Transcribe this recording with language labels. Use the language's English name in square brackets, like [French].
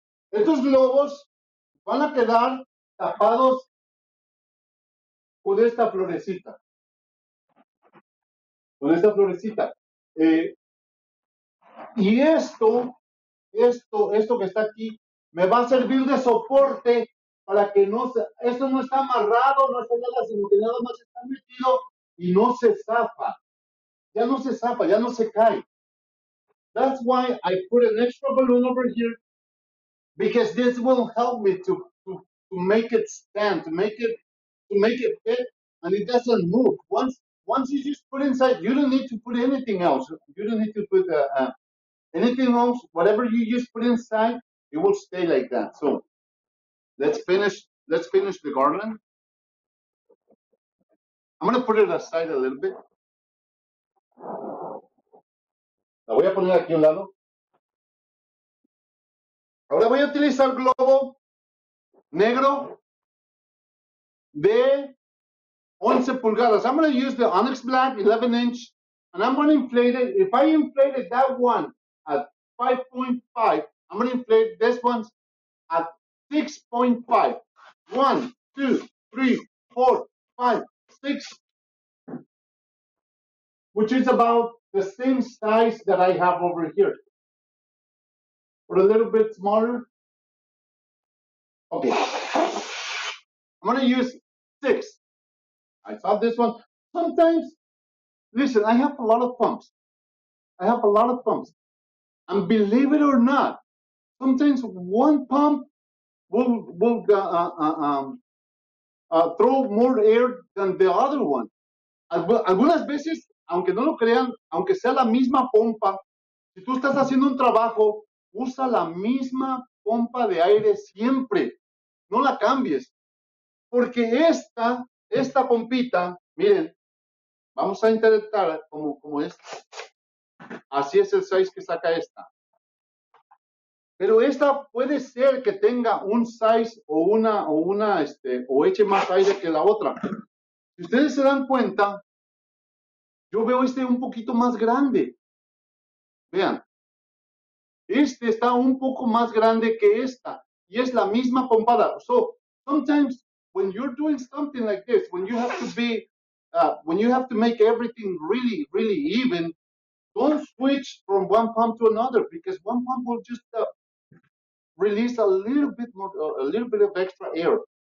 [Spanish] Estos globos van a quedar tapados con esta florecita, y esto que está aquí me va a servir de soporte para que no se, esto no está amarrado, no está nada, sino que nada más está metido y no se zafa, ya no se zafa, ya no se cae. [English] That's why I put an extra balloon over here, because this will help me to make it stand, to make it fit. And it doesn't move. Once you just put inside, you don't need to put anything else. You don't need to put anything else. Whatever you just put inside, it will stay like that. So let's finish the garland. I'm gonna put it aside a little bit. [Spanish] La voy a poner aquí a un lado. Ahora voy a utilizar globo negro de 11 pulgadas. [English] I'm going to use the Onyx Black 11 inch and I'm going to inflate it. If I inflate it, that one at 5.5, I'm going to inflate this one at 6.5. 1, 2, 3, 4, 5, 6, which is about the same size that I have over here. But a little bit smaller. Okay. I'm going to use 6. I saw this one. Sometimes, listen, I have a lot of pumps. I have a lot of pumps. And believe it or not, sometimes one pump will throw more air than the other one. [Spanish] Algunas veces, aunque no lo crean, aunque sea la misma pompa, si tú estás haciendo un trabajo, usa la misma pompa de aire siempre. No la cambies. Porque esta pompita, miren, vamos a intentar como esta. Así es el size que saca esta. Pero esta puede ser que tenga un size o eche más aire que la otra. Si ustedes se dan cuenta, yo veo este un poquito más grande. Vean. Este está un poco más grande que esta. Y es la misma pompada. [English] So, sometimes when you're doing something like this, when you have to be, when you have to make everything really, really even, don't switch from one pump to another because one pump will just release a little bit more, a little bit of extra air.